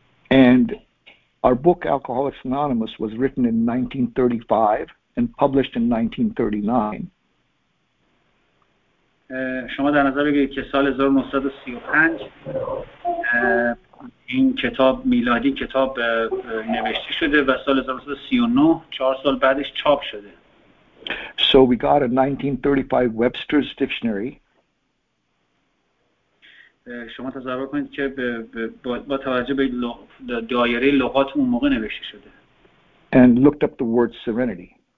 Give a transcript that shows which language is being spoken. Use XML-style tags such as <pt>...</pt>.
<en>And our book Alcoholics Anonymous was written in 1935 and published in 1939.</en> <fa>شما در نظر بگیرید که سال 1935 این کتاب میلادی کتاب نوشته شده و سال 1939 4 سال بعدش چاپ شده.</fa> <en>So we got a 1935 Webster's dictionary.</en> <fa>شما تصور کنید که با توجه به دایره لغات اون موقع نوشته شده</fa> <en>and looked up the word serenity.</en>